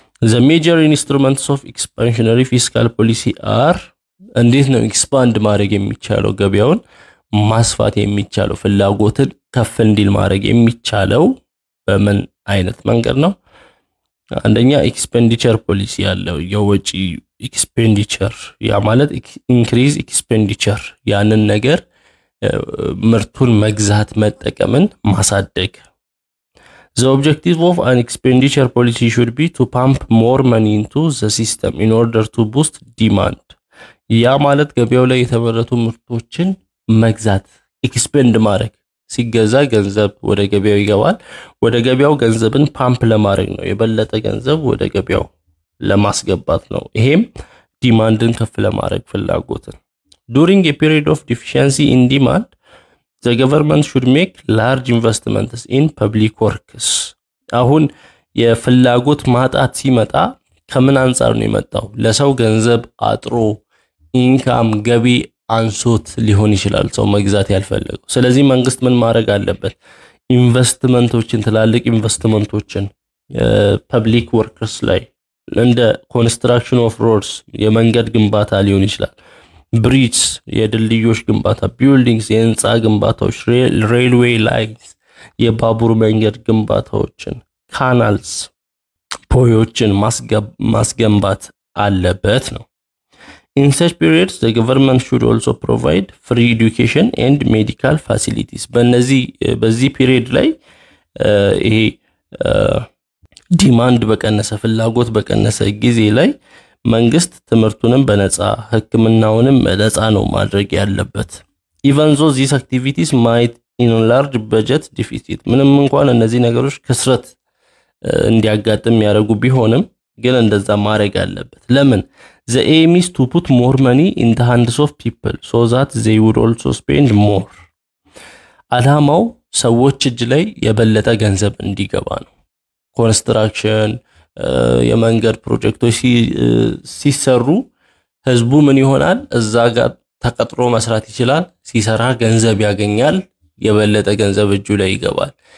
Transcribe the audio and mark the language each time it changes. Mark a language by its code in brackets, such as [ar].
[en] The major instruments of expansionary fiscal policy are and this no [am] expand ማድረግ የሚቻለው ገበያውን ማስፋት የሚቻለው ፍላጎትን ከፍ እንዲል ማድረግ የሚቻለው በምን አይነት መንገድ ነው? አንደኛ ኤክስፔንዲቸር ፖሊሲ ያለው የወጪ ኤክስፔንዲቸር ያ ማለት ኢንክሪዝ ኤክስፔንዲቸር ያንን ነገር ምርቱን መግዛት መጠቀምን ማሳደግ. [en] The objective of an expenditure policy should be to pump more money into the system in order to boost demand. [am] ያ ማለት ገበያው ላይ የተመረቱ ምርቶችን መግዛት ኤክስፔንድ ማድረግ ሲገዛ ገንዘብ ወደ ገበያው ይገባል ወደ ገበያው ገንዘብን ፓምፕ ለማድረግ ነው የበለጠ ገንዘብ ወደ ገበያው ለማስገባት ነው ይሄም ዲማንድን ከፍ ለማድረግ ፍላጎትን. [en] During a period of deficiency in demand the government should make large investments in public works. [am] አሁን የፍላጎት ማጣት ሲመጣ ከምን አንፃር ነው የመጣው? ለሰው ገንዘብ አጥሮ ኢንካም ገቢ አንሶት ሊሆን ይችላል ሰው መግዛት ያልፈልገው. ስለዚህ መንግስት ምን ማድረግ አለበት? ኢንቨስትመንቶችን ተላልቅ ኢንቨስትመንቶችን ፐብሊክ ወርክስ ላይ እንደ ኮንስትራክሽን ኦፍ ሮድስ የመንገድ ግንባታ ሊሆን ይችላል ብሪጅስ የድልድዮች ግንባታ ቢልዲንግስ የህንጻ ግንባታዎች ሬልዌይ ላይንስ የባቡር መንገድ ግንባታዎችን ካናልስ ፖዮችን ማስገንባት አለበት ነው. [en] In such periods the government should also provide free education and medical facilities. [am] በዚ period ላይ ይሄ demand በቀነሰ ፍላጎት በቀነሰ ጊዜ ላይ መንግስት ትምርቱንም በነጻ ህክምናውንም በነጻ ነው ማድረግ ያለበት. [en] Even though these activities might enlarge budget deficit. [am] ምንም እንኳን እነዚህ ነገሮች ክስረት እንዲያጋጥም ያደርጉ ቢሆንም ግን እንደዛ ማድረግ አለበት. ለምን? [en] The aim is to put more money in the hands of people so that they would also spend more. [am] አላማው ሰዎች እጅ ላይ የበለጠ ገንዘብ እንዲገባ ነው. Construction የመንገድ ፕሮጀክቶች ሲሰሩ ህዝቡ ምን ይሆናል? እዛ ጋር ተቀጥሮ መስራት ይችላል ሲሰራ ገንዘብ ያገኛል የበለጠ ገንዘብ እጁ ላይ ይገባል.